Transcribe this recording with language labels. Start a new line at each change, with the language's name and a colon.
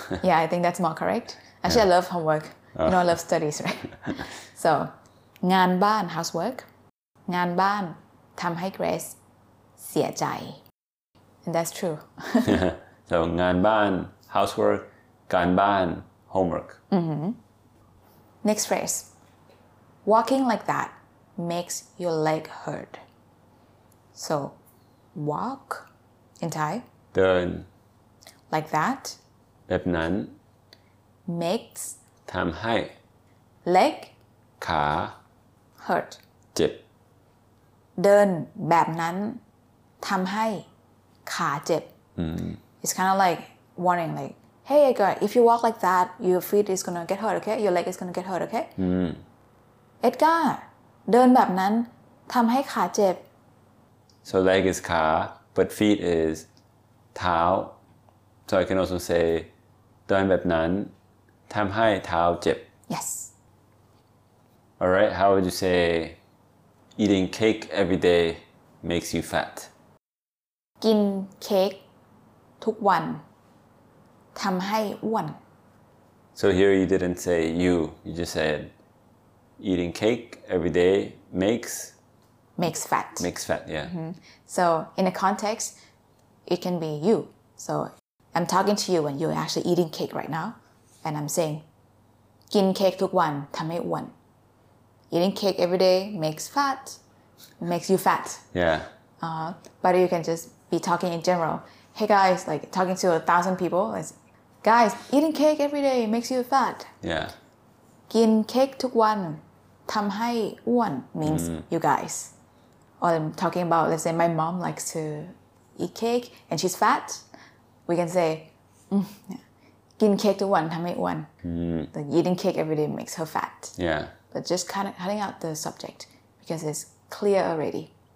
English: yeah I think that's more correct actually yeah. I love homeworkYou know, I love studies, right? So, งานบ้าน housework.
Thai: งานบ้านทำให้ Grace เสียใจ
English: And that's true. So, งานบ้าน housework, การบ้าน homework. Mm-hmm. Next phrase. Walking like that makes your leg hurt. So, walk in Thai.
Thai: เดิน
English: Like that.
Thai: แบบนั้น
English: Makes...
Thai: ทำให้
English: leg
Thai: ขา
English: hurt
Thai: เจ็บ เดินแบบนั้นทำให้ขาเจ็บ
English: It's kind of like warning like hey Edgar if you walk like that your feet is gonna get hurt okay your leg is gonna get hurt okay Edgar เดินแบบนั้นทำให้ขาเจ็บ so leg is ขา but feet is เท้า so I can also say
Thai: เดินแบบนั้นทำให้เท้าเจ็บ
English: Yes. All right, how would you say eating cake every day makes you fat?
Thai: กินเค้กทุกวันทำให้อ้วน
English: So here you didn't say you just said eating cake every day makes fat, yeah. Mm-hmm. So in a context, it can be you. So I'm talking to you when you're actually eating cake right now. And I'm saying,
Thai: กินเค้กทุกวันทำให้อ้วน
English: Eating cake every day makes you fat. Yeah. But you can just be talking in general. Hey guys, like talking to 1,000 people. Like, guys, eating cake every day makes you fat. Yeah.
Thai: กินเค้กทุกวันทำให้อ้วน
English: means you guys. Or I'm talking about, let's say my mom likes to eat cake and she's fat. We can say,
Thai: กินเค้กทุกวันทำให้อ้วน
English: Like eating cake every day makes her fat. Yeah. But but just cutting out the subject because it's clear already.